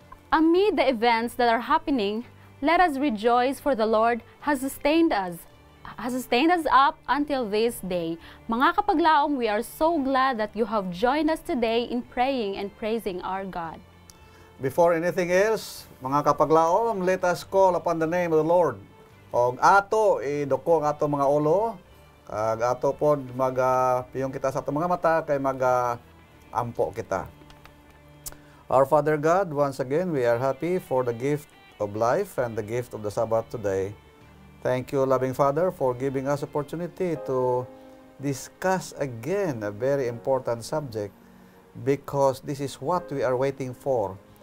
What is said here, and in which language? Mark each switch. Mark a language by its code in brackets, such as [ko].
[en] Amid the events that are happening, let us rejoice, for the Lord has sustained us up until this day. [ceb] Mga kapaglaom, [en] we are so glad that you have joined us today in praying and praising our God. Before anything else, [ceb] mga kapaglaom, [en] let us call upon the name of the Lord. [ceb] Og ato iduko ang ato mga ulo, kag ato pod magpiyong kita sa ato mga mata kay magampo kita. [en] Our Father God, once again we are happy for the gift of life and the gift of the Sabbath today. Thank you, loving Father, for giving us opportunity to discuss again a very important subject, because this is what we are waiting for.